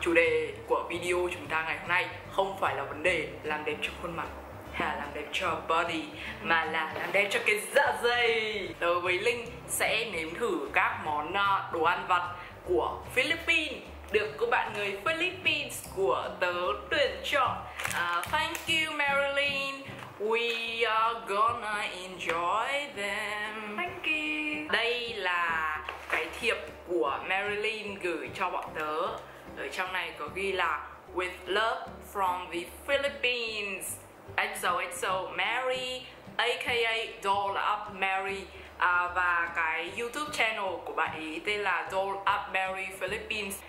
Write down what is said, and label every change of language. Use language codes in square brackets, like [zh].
[vi] Chủ đề của video chúng ta ngày hôm nay không phải là vấn đề làm đẹp cho khuôn mặt hay là làm đẹp cho body, mà là làm đẹp cho cái dạ dày. Tớ với Linh sẽ nếm thử các món đồ ăn vặt của Philippines, được cô bạn người Philippines của tớ tuyển chọn. [en] Thank you Marilyn, we are gonna enjoy them. Thank you. [vi] Đây là cái thiệp của Marilyn gửi cho bọn tớ. Ở trong này có ghi là [en] with love from the Philippines, XOXO Mary aka Doll Up Mary. [vi] Và cái YouTube channel của bạn ý tên là Doll Up Mary Philippines.